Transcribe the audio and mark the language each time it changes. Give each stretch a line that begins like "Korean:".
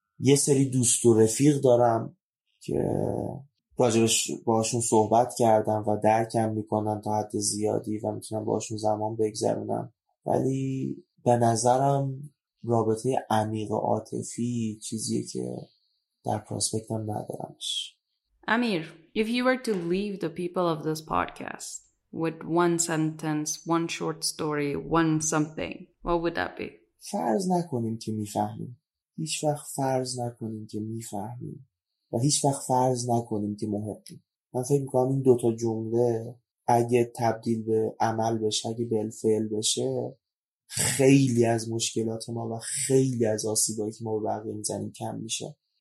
Persian: یه سری دوست و رفیق دارم که راجبش باشون صحبت کردم و درکم میکنن تا حد زیادی و میتونم باشون زمان بگذرونم، ولی به نظرم رابطه عمیق عاطفی چیزیه که در پروسپکتم ندارمش.
English: Amir, if you were to leave the people of this podcast with one sentence, one short story, one something, what would that be?
Persian: فرض نکنیم که میفهمیم. هیچ وقت فرض نکنیم که میفهمیم و هیچ وقت فرض نکنیم که محقیم. من فکر میکنم این دوتا جمله اگه تبدیل به عمل بشه، اگه بالفعل بشه، خیلی از مشکلات ما و خیلی از آسیبایی که ما به بقیه میزنیم کم میشه.